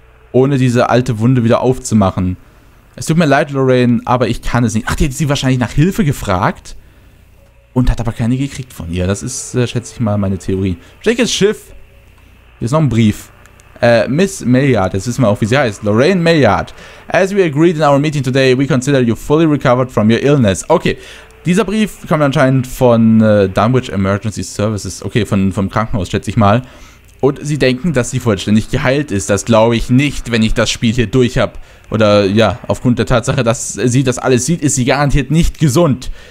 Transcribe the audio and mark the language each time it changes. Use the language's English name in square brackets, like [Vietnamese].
[German] Ohne diese alte Wunde wieder aufzumachen. Es tut mir leid, Lorraine, aber ich kann es nicht. Ach, die hat sie wahrscheinlich nach Hilfe gefragt. Und hat aber keine gekriegt von ihr. Das ist, schätze ich mal, meine Theorie. Schickes Schiff. Hier ist noch ein Brief. Miss Mayard, jetzt wissen wir auch, wie sie heißt. Lorraine Mayard. [English] As we agreed in our meeting today, we consider you fully recovered from your illness. [German] Okay. Dieser Brief kommt anscheinend von Dunwich Emergency Services. Okay, vom Krankenhaus, schätze ich mal. Und sie denken, dass sie vollständig geheilt ist. Das glaube ich nicht, wenn ich das Spiel hier durch habe. Oder ja, aufgrund der Tatsache, dass sie das alles sieht, ist sie garantiert nicht gesund.